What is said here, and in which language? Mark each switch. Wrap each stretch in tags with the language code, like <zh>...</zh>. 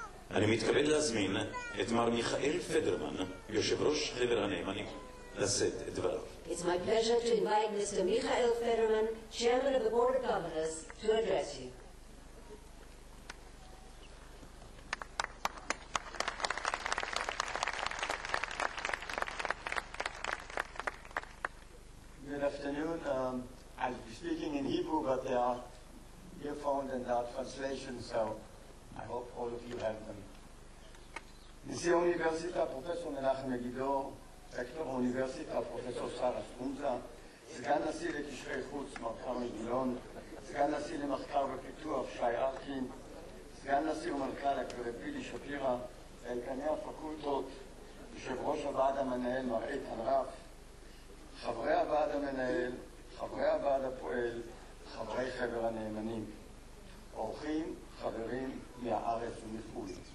<he>אני מתכבד להזמין את מר מיכאל פדרמן, יושב ראש חבר הנאמנים, לשאת את דבריו.</he> <en>It's my pleasure to invite Mr. Michael Federman, Chairman of the Board of Governors, to address you. Good afternoon. I'll be speaking in Hebrew, but there are earphones and loud translations, so I hope all of you have them.</en> <he>נשיא האוניברסיטה, פרופסור מנחם מגידו, רקטור האוניברסיטה, פרופסור שרה סטרונזה, סגן נשיא לקשרי חוץ, מר כרמל גילון, סגן נשיא למחקר ופיתוח, שי ארקין, סגן נשיא ומנכ"ל, הגברת פילי שפירא, ועלקני הפקולטות, יושב ראש הוועד המנהל, מר איתן רף, חברי הוועד המנהל, חברי הוועד הפועל, חברי חבר הנאמנים, אורחים, חברים מהארץ ומחו"ל.</he>